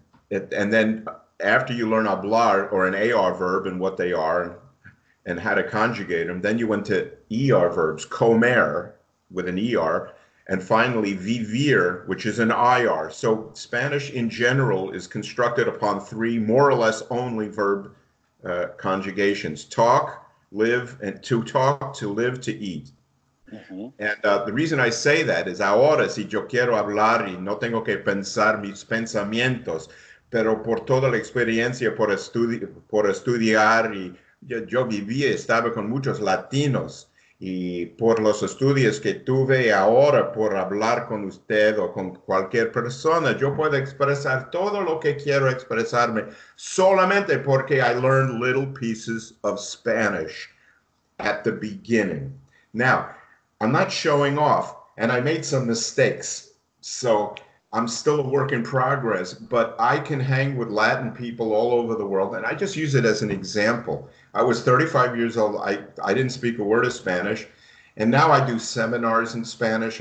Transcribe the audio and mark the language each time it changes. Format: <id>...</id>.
<en>And then after you learn hablar or an AR verb and what they are and how to conjugate them, then you went to ER verbs, comer with an ER, and finally vivir, which is an IR. So Spanish in general is constructed upon three more or less only verb conjugations, talk, live, and to talk, to live, to eat. Mm-hmm.</en> <es>And the reason I say that is ahora, si yo quiero hablar y no tengo que pensar mis pensamientos, pero por toda la experiencia, por estudiar, y yo vivía, estaba con muchos latinos, y por los estudios que tuve ahora, por hablar con usted o con cualquier persona, yo puedo expresar todo lo que quiero expresarme solamente porque</es> <en>I learned little pieces of Spanish at the beginning. Now, I'm not showing off, and I made some mistakes, so I'm still a work in progress, but I can hang with Latin people all over the world, and I just use it as an example. I was 35 years old. I didn't speak a word of Spanish, and now I do seminars in Spanish.</en>